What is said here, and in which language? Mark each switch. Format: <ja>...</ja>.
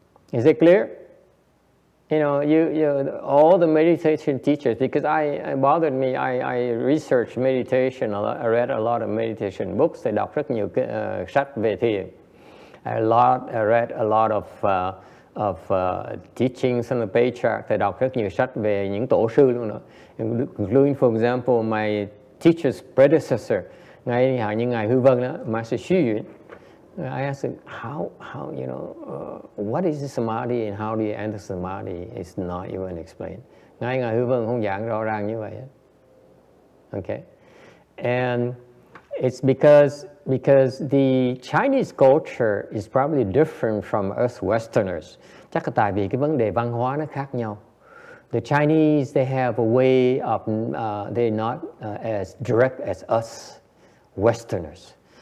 <en>Is it clear? You know, all the meditation teachers, because it bothered me, I researched meditation a lot, I read a lot of meditation books, I</en> <vi>đọc rất nhiều sách về thiền.</vi> <en>I read a lot of teachings on the patriarch, I</en> <vi>đọc rất nhiều sách về những tổ sư luôn đó.</vi> <en>Including, for example, my teacher's predecessor,</en> <vi>ngài hạng như ngài Hư Vân đó,</vi> <en>Master Xu Yun. I asked him, what is samadhi and how do you enter samadhi? It's not even explained.</en> <vi>Ngài ngài Hư Vân không giảng rõ ràng như vậy.</vi> <en>Okay, and it's because the Chinese culture is probably different from us Westerners.</en> <vi>Chắc là tại vì cái vấn đề văn hóa nó khác nhau.</vi> <en>The Chinese, they have a way of, they're not as direct as us Westerners.</en>